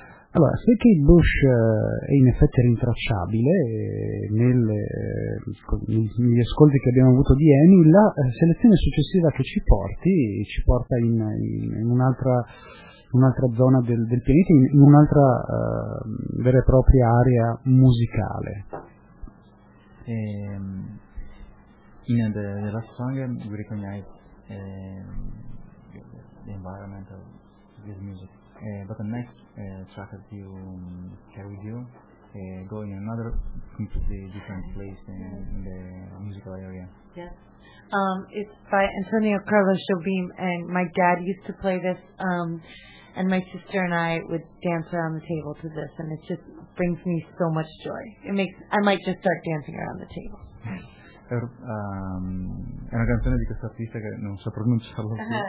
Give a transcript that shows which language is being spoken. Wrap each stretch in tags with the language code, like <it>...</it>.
<it>Allora, se Kate Bush è in effetti rintracciabile negli ascolti che abbiamo avuto di Amy, la selezione successiva che ci porta in un'altra zona del pianeta, in un'altra vera e propria area musicale.</it> <en>In the last song we recognize the environment of this music, but the next track that you carry with you go in another completely different place in the musical area. Yes. It's by Antonio Carlos Jobim, and my dad used to play this, and my sister and I would dance around the table to this, and it just brings me so much joy. I might just start dancing around the table.</en> <it>È una canzone di questo artista che non so pronunciarlo più.</it>